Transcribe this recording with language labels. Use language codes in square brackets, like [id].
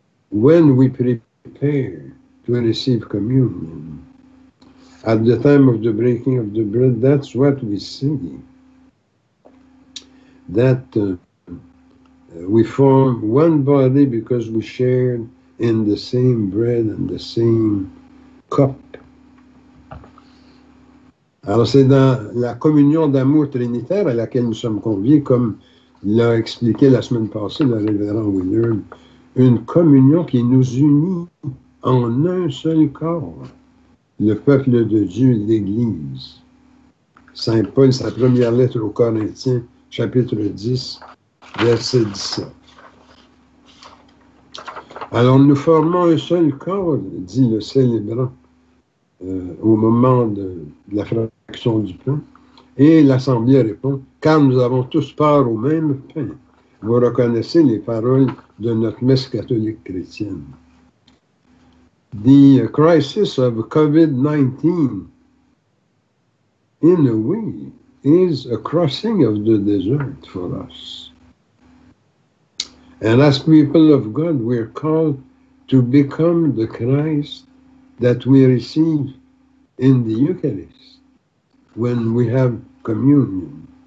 [en] When we prepare to receive communion, at the time of the breaking of the bread, that's what we see. That we form one body because we share in the same bread and the same cup. [fr] Alors, c'est dans la communion d'amour trinitaire à laquelle nous sommes conviés, comme l'a expliqué la semaine passée le révérend Willard, une communion qui nous unit en un seul corps, le peuple de Dieu, l'Église. Saint Paul, sa première lettre aux Corinthiens, chapitre 10, verset 17. Alors, nous formons un seul corps, dit le célébrant, au moment de la fraction du pain. Et l'Assemblée répond, « Car nous avons tous part au même pain. » Vous reconnaissez les paroles de notre messe catholique chrétienne. [en] The crisis of COVID-19, in a way, is a crossing of the desert for us. And as people of God, we are called to become the Christ that we receive in the Eucharist, when we have communion.